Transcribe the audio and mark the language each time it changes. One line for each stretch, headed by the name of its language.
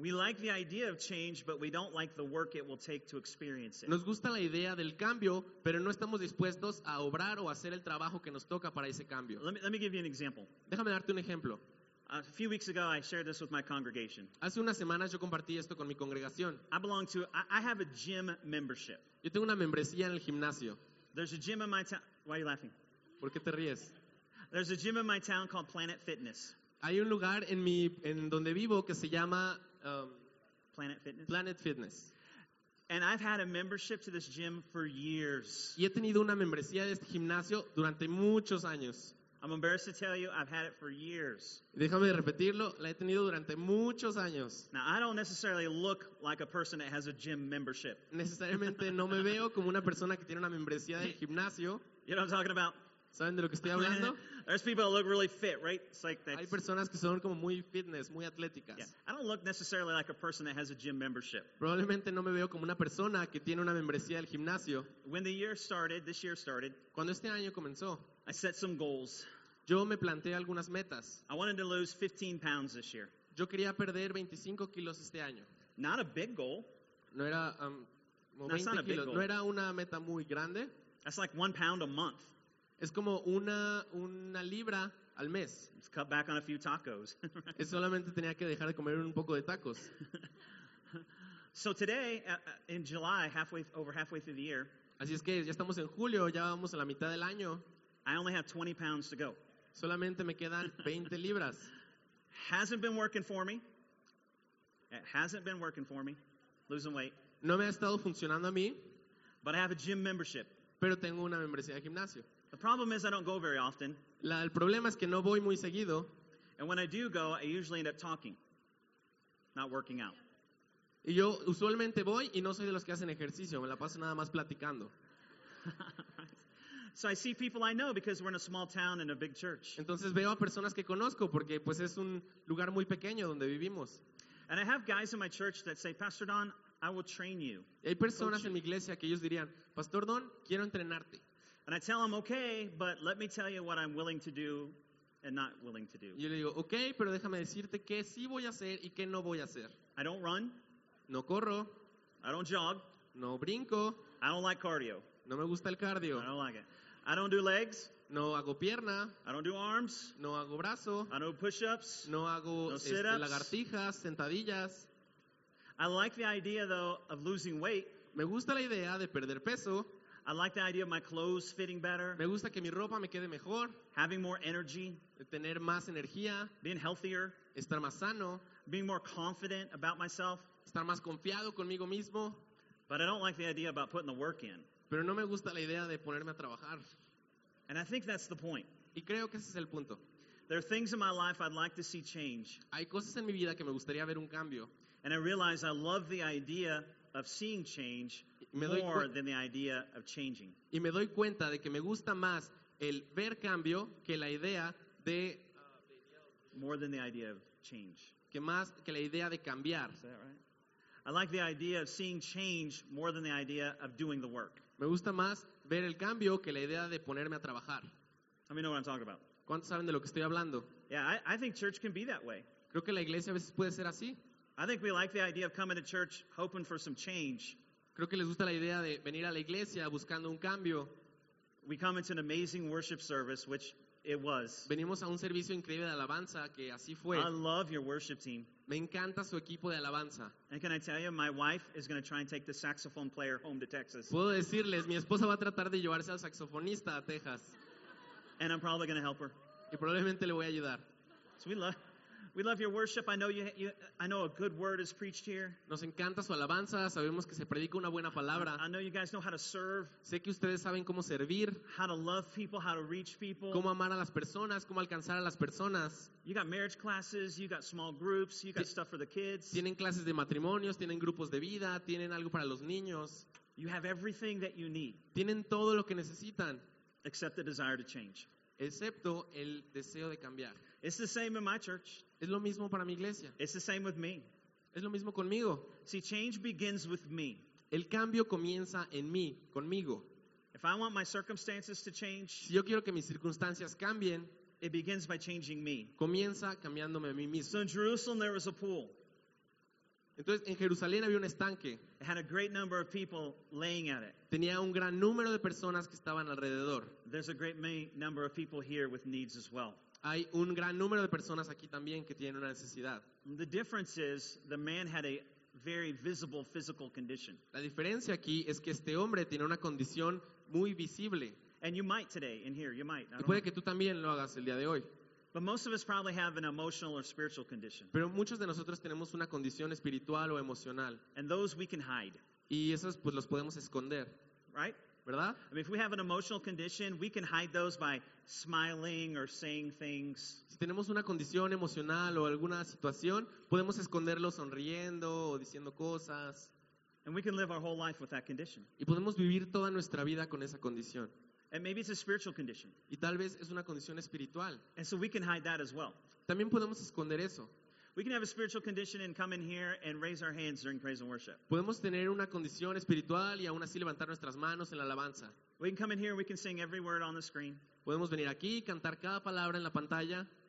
English: We like the idea of change, but we don't like the work it will take to experience it.
Spanish: Nos gusta la idea del cambio, pero no estamos dispuestos a obrar o hacer el trabajo que nos toca para ese cambio.
English: Let me give you an example.
Spanish: Déjame darte un ejemplo.
English: A few weeks ago, I shared this with my congregation.
Spanish: Hace unas semanas yo compartí esto con mi congregación.
English: I have a gym membership.
Spanish: Yo tengo una membresía en el gimnasio.
English: There's a gym in my town. Why are you laughing?
Spanish: ¿Por qué te ríes?
English: There's a gym in my town called Planet Fitness.
Spanish: Hay un lugar en mi en donde vivo que se llama Planet Fitness. Planet Fitness.
English: And I've had a membership to this gym for years.
Spanish: Y he tenido una membresía de este gimnasio durante muchos años.
English: I'm embarrassed to tell you, I've had it for years.
Spanish: Déjame repetirlo, la he tenido durante muchos años.
English: Now, I don't necessarily look like a person that has a gym membership.
Spanish: Necesariamente no me veo como una persona que tiene una membresía del gimnasio.
English: You know what I'm talking about?
Spanish: ¿Saben de lo que estoy hablando?
English: There's people that look really fit, right? It's like that.
Spanish: Hay personas que son como muy fitness, muy atléticas.
English: Yeah. I don't look necessarily like a person that has a gym membership.
Spanish: Probablemente no me veo como una persona que tiene una membresía del gimnasio.
English: When the year started, this year started.
Spanish: Cuando este año comenzó.
English: I set some goals.
Spanish: Yo me planteé algunas metas.
English: I wanted to lose 15 pounds this year.
Spanish: Yo quería perder 25 kilos este año.
English: Not a big goal.
Spanish: No era,
English: that's not a big goal.
Spanish: No era una meta muy grande.
English: That's like 1 pound a month.
Spanish: Es como una libra al mes.
English: Just cut back on a few tacos.
Spanish: Es solamente tenía que dejar de comer un poco de tacos.
English: So today, in July, halfway through the year.
Spanish: Así es que ya estamos en julio, ya vamos a la mitad del año.
English: I only have 20 pounds to go.
Spanish: Solamente me quedan 20 libras.
English: Hasn't been working for me. It hasn't been working for me. Losing weight.
Spanish: No me ha estado funcionando a mí.
English: But I have a gym membership.
Spanish: Pero tengo una membresía de gimnasio.
English: The problem is I don't go very often.
Spanish: El problema es que no voy muy seguido.
English: And when I do go, I usually end up talking, not working out.
Spanish: Y yo usualmente voy y no soy de los que hacen ejercicio. Me la paso nada más platicando.
English: So I see people I know because we're in a small town and a big church.
Spanish: Entonces veo a personas que conozco porque pues es un lugar muy pequeño donde vivimos.
English: And I have guys in my church that say, Pastor Don, I will train you.
Spanish: Y hay personas en mi iglesia que ellos dirían, Pastor Don, quiero entrenarte.
English: And I tell them, okay, but let me tell you what I'm willing to do and not willing to do.
Spanish: Yo le digo, okay, pero déjame decirte qué sí voy a hacer y qué no voy a hacer.
English: I don't run.
Spanish: No corro.
English: I don't jog.
Spanish: No brinco.
English: I don't like cardio.
Spanish: No me gusta el cardio.
English: I don't like it. I don't do legs.
Spanish: No hago pierna.
English: I don't do arms.
Spanish: No hago brazo.
English: I don't do push-ups.
Spanish: No hago
English: sit-ups.
Spanish: Lagartijas, sentadillas.
English: I like the idea, though, of losing weight.
Spanish: Me gusta la idea de perder peso.
English: I like the idea of my clothes fitting better.
Spanish: Me gusta que mi ropa me quede mejor.
English: Having more energy.
Spanish: Tener más energía.
English: Being healthier.
Spanish: Estar más sano.
English: Being more confident about myself.
Spanish: Estar más confiado conmigo mismo.
English: But I don't like the idea about putting the work in.
Spanish: Pero no me gusta la idea de ponerme a trabajar.
English: And I think that's the point.
Spanish: Y creo que ese es el punto.
English: There are things in my life I'd like to see change.
Spanish: Hay cosas en mi vida que me gustaría ver un cambio.
English: And I realize I love the idea of seeing change more than the idea of changing.
Spanish: Y me doy cuenta de que me gusta más el ver cambio que la idea de
English: more than the idea of change.
Spanish: Que más que la idea de cambiar.
English: Is that right? I like the idea of seeing change more than the idea of doing the work.
Spanish: Me gusta más ver el cambio que la idea de ponerme a trabajar.
English: Let me know what I'm talking about.
Spanish: ¿Cuántos saben de lo que estoy hablando?
English: Yeah, I think church can be that way.
Spanish: Creo que la iglesia a veces puede ser así.
English: I think we like the idea of coming to church hoping for some change.
Spanish: Creo que les gusta la idea de venir a la iglesia buscando un cambio.
English: We come into an amazing worship service, which it was.
Spanish: Venimos a un servicio increíble de alabanza que así fue.
English: I love your worship team.
Spanish: Me encanta su equipo de alabanza.
English: And can I tell you, my wife is going to try and take the saxophone player home to Texas.
Spanish: Puedo decirles, mi esposa va a tratar de llevarse al saxofonista a Texas.
English: And I'm probably going to help her.
Spanish: Y probablemente le voy a ayudar.
English: So we love your worship. I know a good word is preached here.
Spanish: Nos encanta su alabanza. Sabemos que se predica una buena palabra.
English: I know you guys know how to serve.
Spanish: Sé que ustedes saben cómo servir.
English: How to love people. How to reach people.
Spanish: Cómo amar a las personas. Cómo alcanzar a las personas.
English: You got marriage classes. You got small groups. You got stuff for the kids.
Spanish: Tienen clases de matrimonios. Tienen grupos de vida. Tienen algo para los niños.
English: You have everything that you need.
Spanish: Tienen todo lo que necesitan.
English: Except the desire to change.
Spanish: Excepto el deseo de cambiar.
English: It's the same in my church.
Spanish: Es lo mismo para mi iglesia.
English: It's the same with me.
Spanish: Es lo mismo conmigo.
English: See, change begins with me.
Spanish: El cambio comienza en mí, conmigo.
English: If I want my circumstances to change,
Spanish: si yo quiero que mis circunstancias cambien,
English: it begins by changing me.
Spanish: Comienza cambiándome a mí mismo.
English: So in Jerusalem there was a pool.
Spanish: Entonces en Jerusalén había un estanque.
English: It had a great number of people laying at it.
Spanish: Tenía un gran número de personas que estaban alrededor.
English: There's a great number of people here with needs as well.
Spanish: Hay un gran número de personas aquí también que tienen una necesidad.
English: The difference is the man had a very visible physical condition.
Spanish: La diferencia aquí es que este hombre tiene una condición muy visible.
English: And you might today in here, you might.
Spanish: Y puede
English: know.
Spanish: Que tú también lo hagas el día de hoy.
English: But most of us probably have an emotional or spiritual condition.
Spanish: Pero muchos de nosotros tenemos una condición espiritual o emocional.
English: And those we can hide.
Spanish: Y esos pues los podemos esconder.
English: Right?
Spanish: ¿Verdad?
English: I mean, if we have an emotional condition, we can hide those by smiling or saying things.
Spanish: Si tenemos una condición emocional o alguna situación, podemos esconderlo sonriendo o diciendo cosas.
English: And we can live our whole life with that condition.
Spanish: Y podemos vivir toda nuestra vida con esa condición.
English: And maybe it's a spiritual condition.
Spanish: Y tal vez es una condición espiritual.
English: And so we can hide that as well.
Spanish: También podemos esconder eso.
English: We can have a spiritual condition and come in here and raise our hands during praise and worship.
Spanish: Podemos tener una condición espiritual y aún así levantar nuestras manos en la alabanza.
English: We can come in here and we can sing every word on the screen.
Spanish: Podemos venir aquí y cantar cada palabra en la pantalla.